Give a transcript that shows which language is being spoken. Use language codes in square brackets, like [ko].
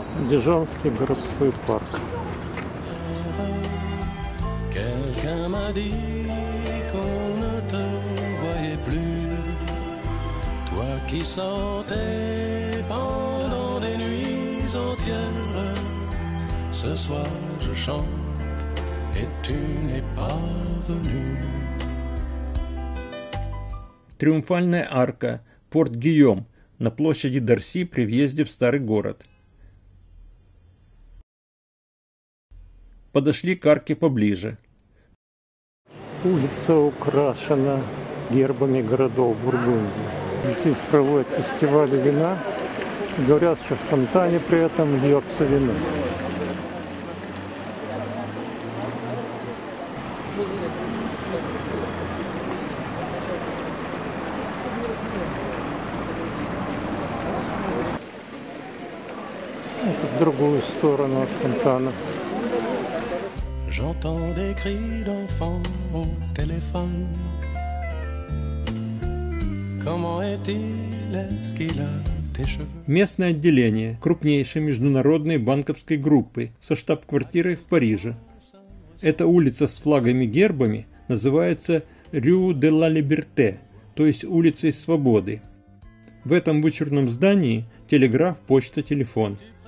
[ru] Дижонский городской парк. [fr] Quelqu'un m'a dit qu'on ne te voyait plus, toi qui sortais pendant des nuits entières. Ce soir je chante et tu n'es pas venu. [ru] Триумфальная арка, порт Гийом, на площади Дарси при въезде в старый город. Подошли к арке поближе. Улица украшена гербами городов Бургундии. Здесь проводят фестивали вина. Говорят, что в фонтане при этом льется вино. Это в другую сторону от фонтана. [fr] J'entends des cris d'enfants au téléphone. Comment est-il? Est-ce qu'il a tes cheveux? [ru] Местное отделение крупнейшей международной банковской группы со штаб-квартирой в Париже. Эта улица с флагами и гербами называется Rue de la Liberté, то есть улицей свободы. В этом вычурном здании телеграф, почта, телефон.